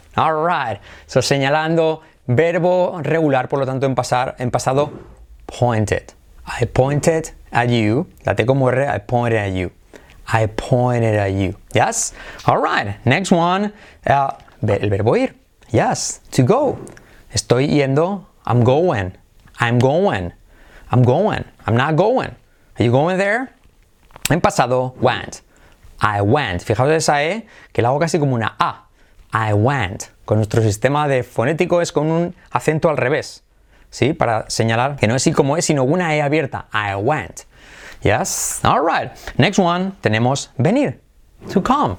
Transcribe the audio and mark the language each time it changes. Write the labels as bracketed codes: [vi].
[en] Alright, so [es] señalando, verbo regular, por lo tanto en pasado, pointed. [en] I pointed at you, [es] la T como R, [en] I pointed at you. I pointed at you, yes? Alright, next one, [es] el verbo ir, [en] yes, to go. [es] Estoy yendo, [en] I'm going, I'm going, I'm going, I'm not going. Are you going there? [es] En pasado, [en] went, I went. [es] Fijaos esa E, que la hago casi como una A. [en] I went. [es] Con nuestro sistema de fonético es con un acento al revés, ¿sí? Para señalar que no es I como E, sino una E abierta. [en] I went. Yes? All right. Next one, [es] tenemos venir. [en] To come.